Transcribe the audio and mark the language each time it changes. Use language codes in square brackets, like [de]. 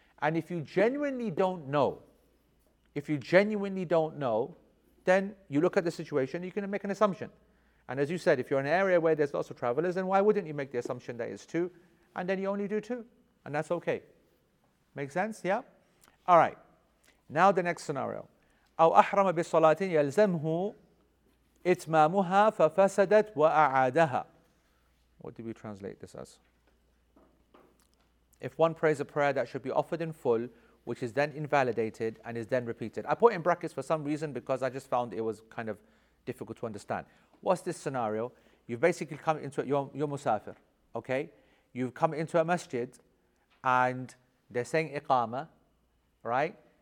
[en] And if you genuinely don't know, then you look at the situation, you can make an assumption. And as you said, if you're in an area where there's lots of travelers, then why wouldn't you make the assumption that it's two, and then you only do two, and that's okay. Make sense? Yeah? All right. Now the next scenario. [ar] أو أحرم بصلاة يلزمه إتمامها ففسدت وأعادها. [en] What did we translate this as? If one prays a prayer that should be offered in full, which is then invalidated and is then repeated. I put in brackets for some reason because I just found it was kind of difficult to understand. What's this scenario? You've basically come into it, you're musafir, okay? You've come into a masjid and they're saying iqama, right?